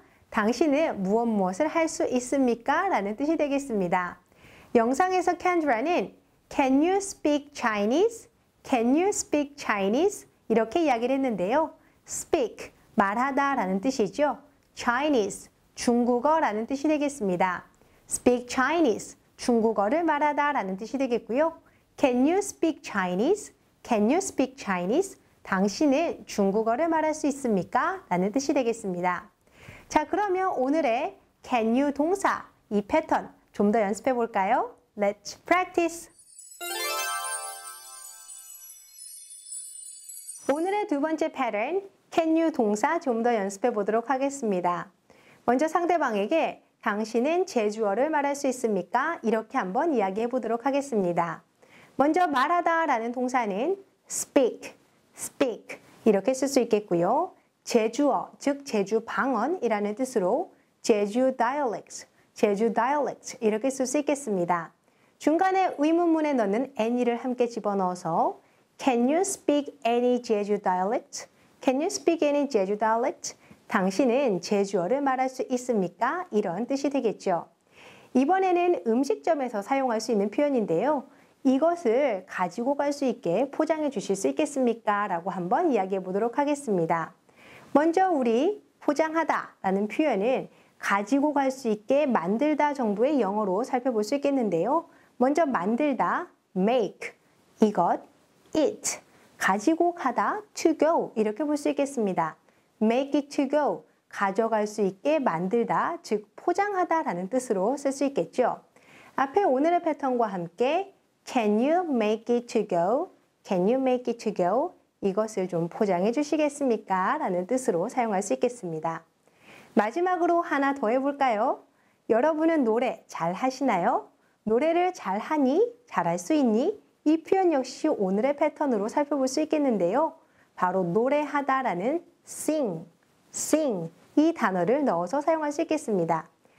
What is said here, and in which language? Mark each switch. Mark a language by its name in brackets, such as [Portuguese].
[Korean] 당신은 무엇을 할 수 있습니까? 라는 뜻이 되겠습니다. 영상에서 [English] Kendra는 Can you speak Chinese? Can you speak Chinese? [Korean] 이렇게 이야기를 했는데요. Speak, 말하다 라는 뜻이죠. Chinese, 중국어 라는 뜻이 되겠습니다. [English] Speak Chinese, [Korean] 중국어를 말하다 라는 뜻이 되겠고요. [English] Can you speak Chinese? Can you speak Chinese? [Korean] 당신은 중국어를 말할 수 있습니까? 라는 뜻이 되겠습니다. 자, 그러면 오늘의 can you 동사 이 패턴 좀 더 연습해 볼까요? [English] Let's practice! [Korean] 오늘의 두 번째 패턴, can you 동사 좀 더 연습해 보도록 하겠습니다. 먼저 상대방에게 당신은 제주어를 말할 수 있습니까? 이렇게 한번 이야기해 보도록 하겠습니다. 먼저 말하다 라는 동사는 speak, speak 이렇게 쓸 수 있겠고요. 제주어, 즉 제주 방언이라는 뜻으로 제주 dialects, 제주 dialects 이렇게 쓸 수 있겠습니다. 중간에 의문문에 넣는 any를 함께 집어넣어서 [English] Can you speak any Jeju dialect? Can you speak any Jeju dialect? [Korean] 당신은 제주어를 말할 수 있습니까? 이런 뜻이 되겠죠. 이번에는 음식점에서 사용할 수 있는 표현인데요. 이것을 가지고 갈 수 있게 포장해 주실 수 있겠습니까? 라고 한번 이야기해 보도록 하겠습니다. 먼저 우리 포장하다 라는 표현은 가지고 갈 수 있게 만들다 정도의 영어로 살펴볼 수 있겠는데요. 먼저 만들다, make, 이것, it, 가지고 가다, to go 이렇게 볼 수 있겠습니다. [English] make it to go, [Korean] 가져갈 수 있게 만들다, 즉 포장하다 라는 뜻으로 쓸 수 있겠죠. 앞에 오늘의 패턴과 함께 [English] can you make it to go, can you make it to go, [Korean] 이것을 좀 포장해 주시겠습니까? 라는 뜻으로 사용할 수 있겠습니다. 마지막으로 하나 더 해볼까요? 여러분은 노래 잘 하시나요? 노래를 잘 하니? 잘할 수 있니? 이 표현 역시 오늘의 패턴으로 살펴볼 수 있겠는데요. 바로 노래하다 라는 sing, sing 이 단어를 넣어서 사용할 수 있겠습니다.